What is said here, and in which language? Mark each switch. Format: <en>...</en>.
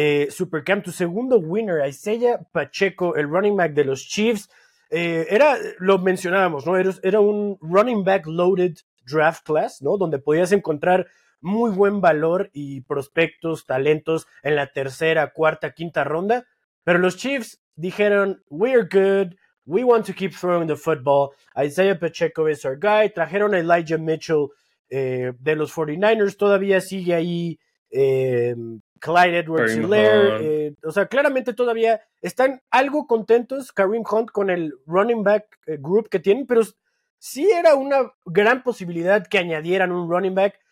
<es>Supercam, tu segundo winner, Isaiah Pacheco, el running back de los Chiefs. Lo mencionábamos, ¿no? Era un</es> <en>running back loaded draft class,</en> <es>¿no? Donde podías encontrar muy buen valor y prospectos, talentos en la tercera, cuarta, quinta ronda. Pero los Chiefs dijeron,</es> <en>we're good, we want to keep throwing the football. Isaiah Pacheco is our guy.</en> <es>Trajeron a Elijah Mitchell de los 49ers. Todavía sigue ahí Clyde Edwards-Helaire. O sea, claramente todavía están algo contentos Kareem Hunt con el running back group que tienen. Pero sí era una gran posibilidad que añadieran un running back.</es>